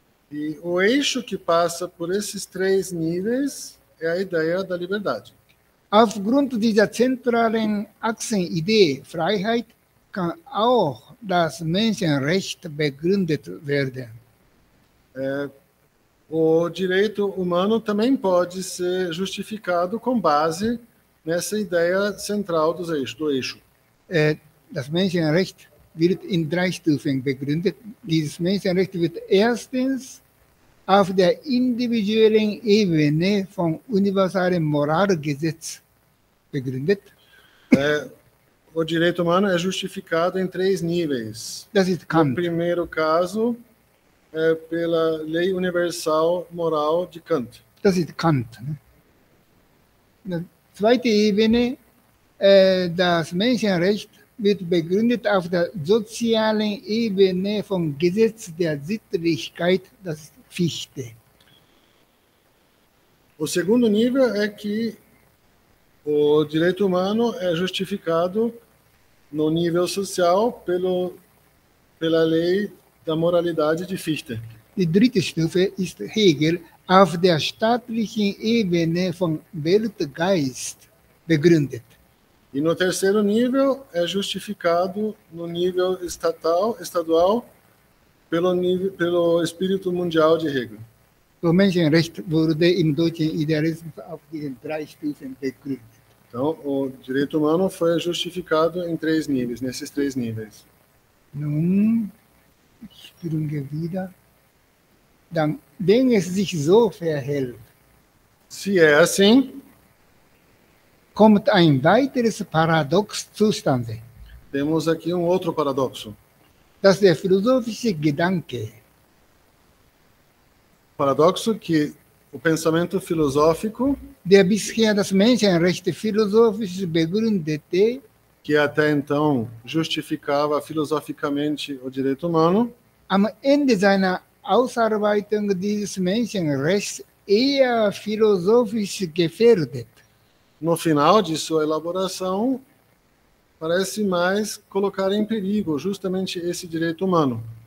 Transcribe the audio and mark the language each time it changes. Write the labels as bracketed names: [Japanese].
[Portuguese] E o eixo que passa por esses três níveis é a ideia da liberdade. [German] Aufgrund dieser zentralen Achsenidee Freiheit kann auch das Menschenrecht begründet werden. [Portuguese] É, o direito humano também pode ser justificado com base nessa ideia central dos eixos, do eixo. É, [German] das Menschenrecht wird in drei Stufen begründet. Dieses Menschenrecht wird erstens auf der individuellen Ebene vom universalen Moralgesetz begründet. [Portuguese] É, o direito humano é justificado em três níveis. [German] Das ist Kant. [Portuguese] No primeiro caso, é pela lei universal moral de Kant. [German] Das ist Kant. Né? [Portuguese] Na [German] zweite Ebene, [Portuguese] é, [German] das Menschenrecht wird begründet auf der sozialen Ebene vom Gesetz der Sittlichkeit, das ist Fichte. [Portuguese] O segundo nível é que o direito humano é justificado no nível social pela lei da moralidade de Fichte. [German] Die dritte Stufe ist Hegel auf der staatlichen Ebene von Weltgeist begründet. [Portuguese] E no terceiro nível é justificado no nível estadual pelo espírito mundial de Hegel. O [German] Menschenrecht wurde im deutschen Idealismus auf diesen drei Stufen begründet. [Portuguese] Então, o direito humano foi justificado em três níveis, nesses três níveis. [German] Nun, springe wieder. Dann, wenn es sich so verhält, [Portuguese] se é assim, [German] kommt ein weiteres Paradox zustande. [Portuguese] Temos aqui um outro paradoxo. [German] Das der philosophische Gedanke. [Portuguese] Paradoxo que o pensamento filosófico, [German] der bisher das Menschenrecht philosophisch begründete, [Portuguese] que até então justificava filosoficamente o direito humano, [German] am Ende seiner Ausarbeitung dieses Menschenrechts eher philosophisch gefährdet. [Portuguese] No final de sua elaboração, parece mais colocar em perigo justamente esse direito humano.